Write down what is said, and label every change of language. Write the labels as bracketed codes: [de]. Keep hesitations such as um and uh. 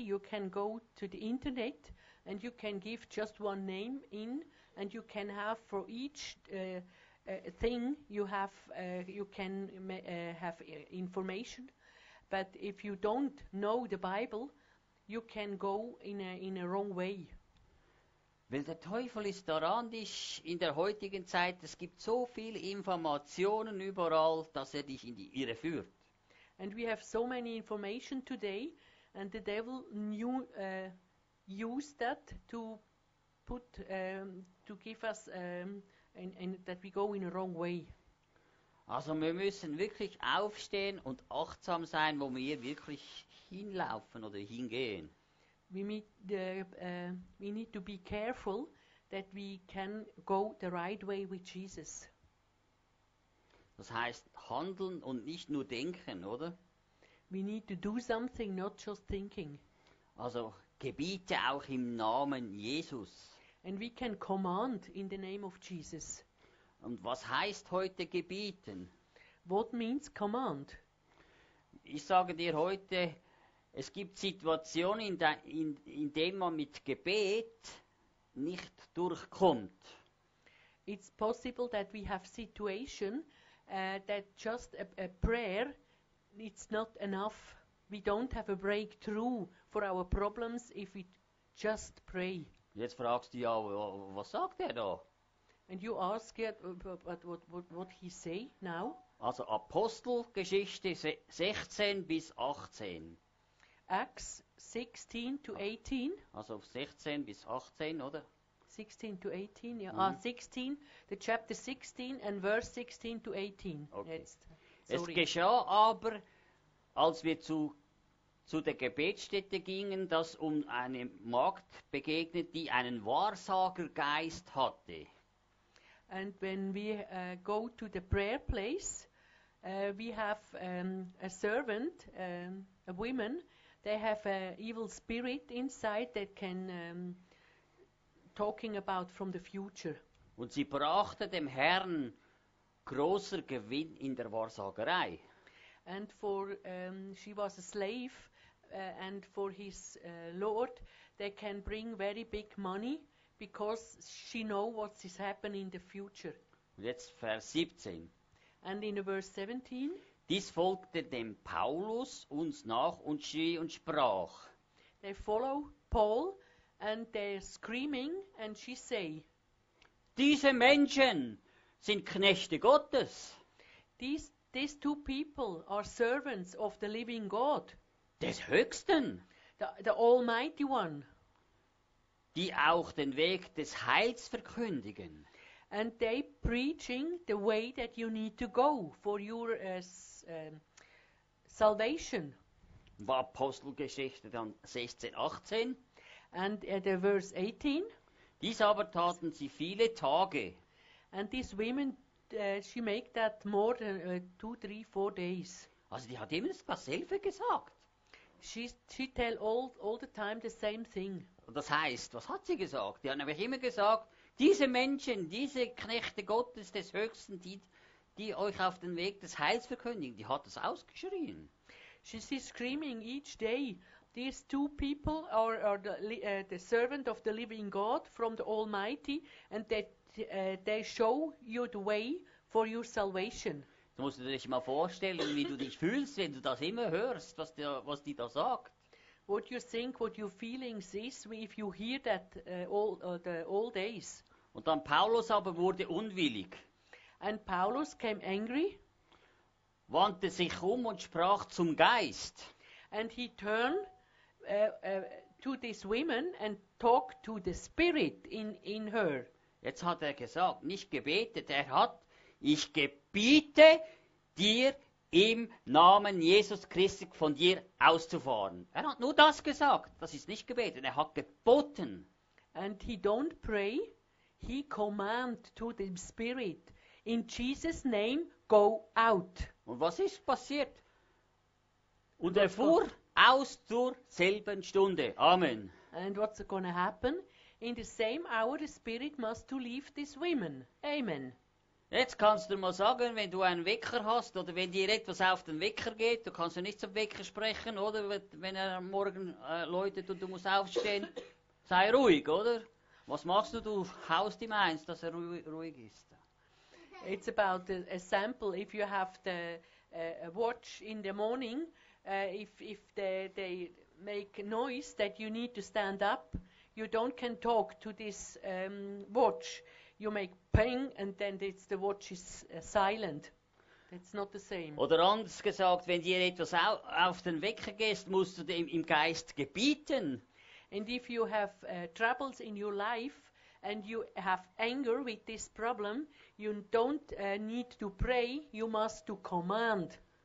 [en] You can go to the internet and you can give just one name in and you can have for each uh, uh, thing you have uh, you can uh, have information. But if you don't know the Bible, you can go in a, in a wrong way. [de] Weil der Teufel ist daran, dich in der heutigen Zeit, es gibt so viele Informationen überall, dass er dich in die Irre führt. [en] And we have so many information today, and the devil knew, uh, that to put, um, to give us, um, and, and that we go in a wrong way. [de] Also wir müssen wirklich aufstehen und achtsam sein, wo wir wirklich hinlaufen oder hingehen [en] we meet the, uh, we need to be careful that we can go the right way with Jesus. [de] Das heißt handeln und nicht nur denken, oder? [en] We need to do something, not just thinking. [de] Also gebiete auch im Namen Jesus. [en] And we can command in the name of Jesus. [de] Und was heißt heute gebieten? [en] What means command? [de] Ich sage dir heute, es gibt Situationen, in, de, in, in, denen man mit Gebet nicht durchkommt. [en] It's possible that we have situation uh, that just a, a prayer it's not enough. We don't have a breakthrough for our problems if we just pray. [de] Jetzt fragst du ja, was sagt er da? [en] And you ask it, but what, what, he say now? [de] Also Apostelgeschichte 16 bis 18. [en] Acts 16 to 18. [de] Also 16 bis 18, [en] oder? 16 to 18, ja. Mhm. Ah, 16, the chapter 16 and verse 16 to 18. Okay. Jetzt. [de] Es geschah aber, als wir zu, zu der Gebetsstätte gingen, dass um eine Magd begegnet, die einen Wahrsagergeist hatte. [en] And when we uh, go to the prayer place, uh, we have um, a servant, um, a woman, they have an evil spirit inside that can um, talking about from the future. [de] Und sie brachte dem Herrn großer Gewinn in der Wahrsagerei. [en] And for um, she was a slave uh, and for his uh, lord they can bring very big money because she know what is happening in the future. [de] Und jetzt Vers 17. [en] And in verse 17 [de] Dies folgte dem Paulus uns nach und schrie und sprach. [en] They follow Paul and they're screaming and she say. [de] Diese Menschen sind Knechte Gottes. [en] These, these two people are servants of the living God. [de] Des Höchsten. [en] the, the Almighty One. [de] Die auch den Weg des Heils verkündigen. [en] and they preaching the way that you need to go for your uh, s, uh, salvation. [de] War Apostelgeschichte dann 16, 18. [en] And uh, the verse 18. [de] Dies aber taten sie viele Tage. [en] And these women, uh, she make that more than two, three, four days. [de] Also die hat immer das Hilfe gesagt. [en] She, she tell all, all the time the same thing. [de] Und das heißt, was hat sie gesagt? Die hat nämlich Diese Menschen, diese Knechte Gottes des Höchsten, die, die euch auf den Weg des Heils verkündigen, die hat das ausgeschrien. [en] She screaming each day. These two people are, are the, uh, the, servant of the living God from the Almighty, and they, uh, they show you the way for your salvation. [de] Musst du musst dir das mal vorstellen, wie du dich fühlst, wenn du das immer hörst, was, der, was die da sagt [en] what you think, what your feelings is, if you hear that uh, all the uh, all days. [de] Und dann Paulus aber wurde unwillig. [en] And Paulus came angry. [de] Wandte sich um und sprach zum Geist. [en] And he turned uh, to this woman and talked to the spirit in in her. [de] Jetzt hat er gesagt, nicht gebetet, er hat, ich gebiete dir im Namen Jesus Christus von dir auszufahren. Er hat nur das gesagt. Das ist nicht gebeten. Er hat geboten. [en] And he don't pray. He command to the spirit. In Jesus name go out. [de] Und was ist passiert? Und [en] what's [de] er fuhr [en] going? [de] aus zur selben Stunde. Amen. [en] And what's going to happen? In the same hour the spirit must to leave these women. Amen. [de] Jetzt kannst du mal sagen, wenn du einen Wecker hast oder wenn dir etwas auf den Wecker geht, du kannst ja nicht zum Wecker sprechen, oder wenn er morgen äh, läutet und du musst aufstehen, sei ruhig, oder? Was machst du? Du haust ihm eins, dass er ruhig, ruhig ist. [en] Da? It's about a, example: sample. If you have the uh, a watch in the morning, uh, if if they they make noise that you need to stand up, you don't can talk to this um, watch. you make ping and then the watch is uh, silent. That's not the same. [de] Oder anders gesagt, wenn dir etwas au auf den Wecker gehst, musst du dem [en] And if you have uh, troubles in your life and you have anger with this problem, you don't uh, need to pray, you must to command.